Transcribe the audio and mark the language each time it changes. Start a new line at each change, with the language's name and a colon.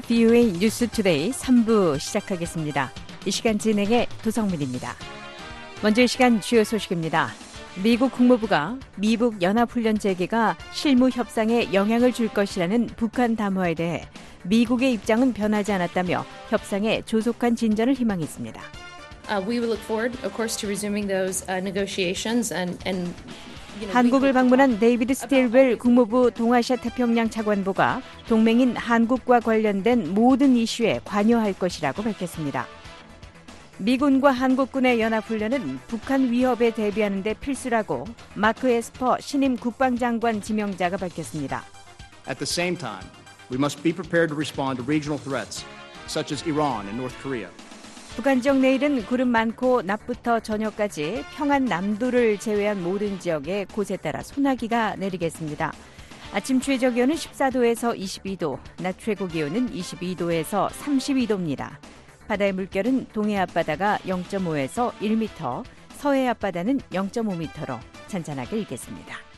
Korean: VOA 뉴스 투데이 3부 시작하겠습니다. 이 시간 진행의 도성민입니다. 먼저 이 시간 주요 소식입니다. 미국 국무부가 미북 연합훈련 재개가 실무 협상에 영향을 줄 것이라는 북한 담화에 대해 미국의 입장은 변하지 않았다며 협상에 조속한 진전을 희망했습니다.
English: We will look forward, of course, to resuming those negotiations and
Korean: 한국을 방문한 데이비드 스틸웰 국무부 동아시아 태평양 차관보가 동맹인 한국과 관련된 모든 이슈에 관여할 것이라고 밝혔습니다. 미군과 한국군의 연합훈련은 북한 위협에 대비하는 데 필수라고 마크 에스퍼 신임 국방장관 지명자가 밝혔습니다.
English: At the same time, we must be prepared to respond to regional threats such as Iran and North Korea.
Korean: 북한 지역 내일은 구름 많고 낮부터 저녁까지 평안남도를 제외한 모든 지역에 곳에 따라 소나기가 내리겠습니다. 아침 최저 기온은 14도에서 22도, 낮 최고 기온은 22도에서 32도입니다. 바다의 물결은 동해 앞바다가 0.5에서 1m, 서해 앞바다는 0.5m로 잔잔하게 일겠습니다.